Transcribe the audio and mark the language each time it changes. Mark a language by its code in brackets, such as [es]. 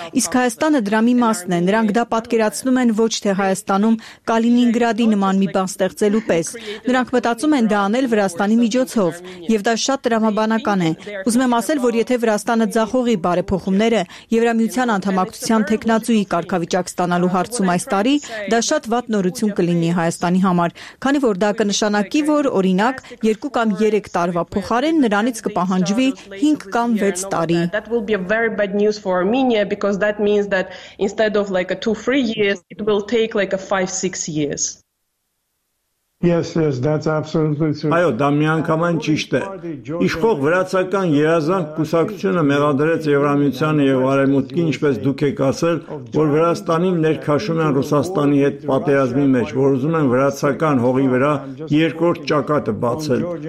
[hy] իսկ Հայաստանը դրա մի մասն է, նրանք դա պատկերացնում են ոչ թե Հայաստանում Կալինինգրադի նման մի բան ստեղծելու պես, նրանք մտածում են դա անել Վրաստանի միջոցով, եւ դա շատ դրամաբանական է։ Ուզում եմ ասել, որ եթե Վրաստանը ձախողի բարեփոխումները Եվրամիության անդամակցության տեխնացուի կարգավիճակ ստանալու հարցում այս տարի, դա շատ վատ նորություն կլինի Հայաստանի համար, քանի որ դա կնշանակի, որ օրինակ 2 կամ 3 տարվա փոխարեն նրանից կպահանջվի 5 կամ 6 տարի։ [en] Instead of like a 2-3 years, it will take like a 5-6 years. Yes, that's absolutely true. [hy] Այո, դա միանգամայն ճիշտ է։ Իշխող վրացական երազանք կուսակցությունը մեղադրեց Եվրամիությանը եւ Արևմուտքին, ինչպես դուք եք ասել, որ Վրաստանին ներքաշում են Ռուսաստանի հետ պատերազմի մեջ, որ ուզում են վրացական հողի վրա երկրորդ ճակատը բացել։